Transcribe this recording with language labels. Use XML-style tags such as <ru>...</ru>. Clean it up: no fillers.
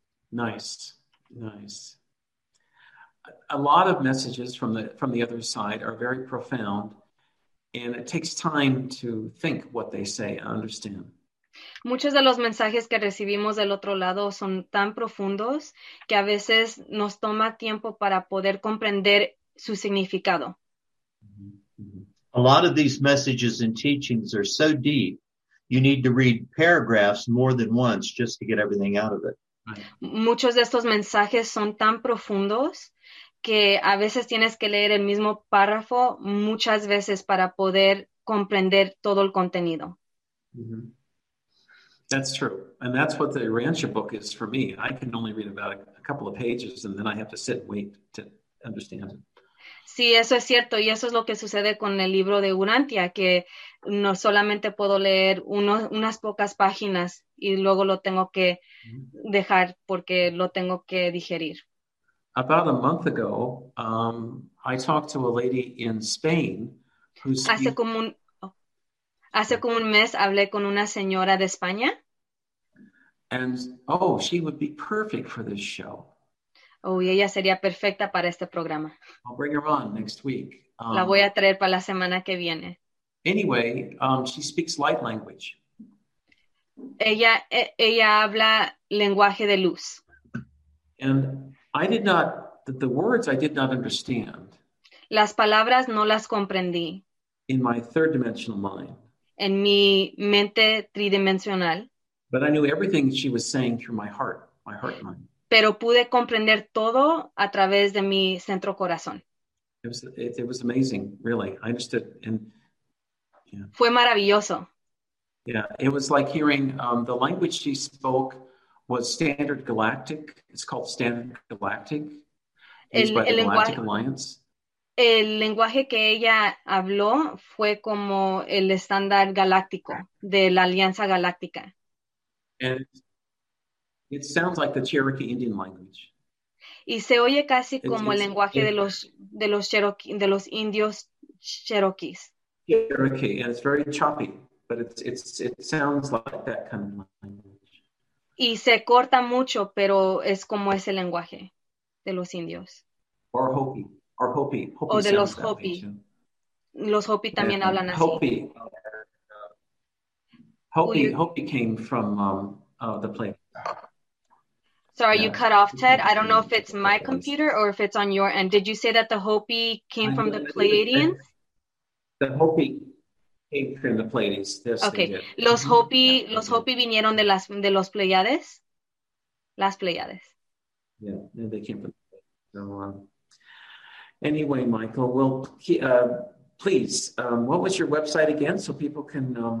<en>Nice. A lot of messages from the other side are very profound, and it takes time to think what they say and understand.</en> <es>Muchos de los mensajes que recibimos del otro lado son tan profundos que a veces nos toma tiempo para poder comprender su significado.</es> <en>A lot of these messages and teachings are so deep, you need to read paragraphs more than once just to get everything out of it.</en> <es>Muchos de estos mensajes son tan profundos que a veces tienes que leer el mismo párrafo muchas veces para poder comprender todo el contenido.</es> <en>Mm-hmm. That's true. And that's what the Urantia book is for me. I can only read about a couple of pages and then I have to sit and wait to understand it.</en> <es>Sí, eso es cierto. Y eso es lo que sucede con el libro de Urantia, que no solamente puedo leer unas pocas páginas y luego lo tengo que dejar porque lo tengo que digerir.</es> <en>About a month ago, I talked to a lady in Spain</en> <es>Hace como un mes hablé con una señora de España.</es> <en>And, oh, she would be perfect for this show.</en> <es>Oh, y ella sería perfecta para este programa.</es> <en>I'll bring her on next week.</en> <es>La voy a traer para la semana que viene.</es> <en>Anyway, she speaks light language.</en> <es>Ella habla lenguaje de luz.</es> <en>And I did not, the words I did not understand.</en> <es>Las palabras no las comprendí.</es> <en>In my third dimensional mind.</en> <es>En mi mente tridimensional.</es> <en>But I knew everything she was saying through my heart mind.</en> <es>Pero pude comprender todo a través de mi centro corazón.</es> <en>It was amazing, really. I understood. And, yeah.</en> <es>Fue maravilloso.</es> <en>Yeah, it was like hearing the language she spoke was Standard Galactic. It's called Standard Galactic. It's by the Galactic Alliance.</en> <es>El lenguaje que ella habló fue como el estándar galáctico de la Alianza Galáctica.</es> <en>And it sounds like the Cherokee Indian language.</en> <es>Y se oye casi como el lenguaje de los Cherokee, de los indios Cherokees.</es> <en>Cherokee, and it's very choppy, but it sounds like that kind of language.</en> <es>Y se corta mucho, pero es como ese lenguaje de los indios.</es> <en>Or Hopi.</en> <es>O de los Hopi. Los Hopi también hablan así.</es> <en>Hopi came from the place. So are you cut off, Ted? I don't know if it's my computer or if it's on your end. Did you say that the Hopi came from the Pleiadians? The Hopi came from the Pleiadians. Yes, okay.</en> <es>Los Hopi vinieron de los Pleiades. Las Pleiades.</es> <en>Yeah, they came from the anyway, Michael, well, please, what was your website again so people can...</en>